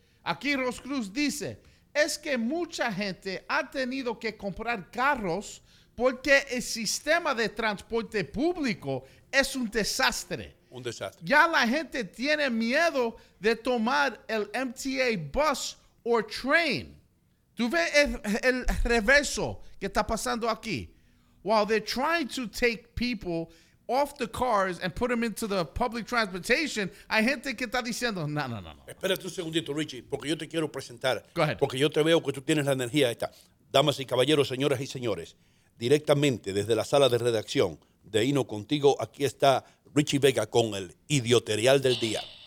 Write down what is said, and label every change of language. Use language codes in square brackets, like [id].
[es] Aquí Ross Cruz dice, es que mucha gente ha tenido que comprar carros porque el sistema de transporte público es un desastre. Un desastre. Ya la gente tiene miedo de tomar el MTA bus o train. ¿Tú ves el reverso que está pasando aquí? [en] While they're trying to take people off the cars and put them into the public transportation, [es] hay gente que está diciendo, no. Espérate un segundito, Richie, porque yo te quiero presentar. [en] Go ahead. [es] Porque yo te veo que tú tienes la energía esta. Damas y caballeros, señoras y señores, directamente desde la sala de redacción de Hino Contigo, aquí está Richie Vega con el idioterial del día.